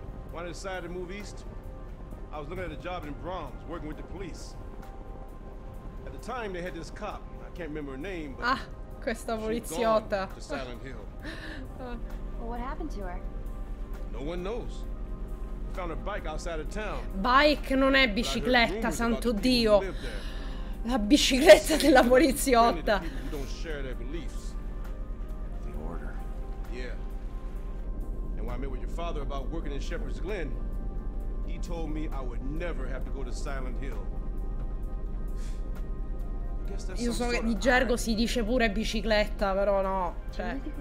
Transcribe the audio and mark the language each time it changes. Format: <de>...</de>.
<en>When I decided to move east, I was looking at a job in Bronx, working with the police. At the time, they had this cop. I can't remember her name, but...</en> <it>Ah, questa poliziotta.</it> <en>To Silent Hill. Well, what happened to her? No one knows. We found a bike outside of town.</en> <it>Bike non è bicicletta, santo Dio. La bicicletta della poliziotta.</it> <en>We don't share their beliefs. The order. Yeah. And when I met with your father about working in Shepherd's Glen, he told me I would never have to go to Silent Hill.</en> <it>Io so che di gergo si dice pure bicicletta, però no. Cioè.</it>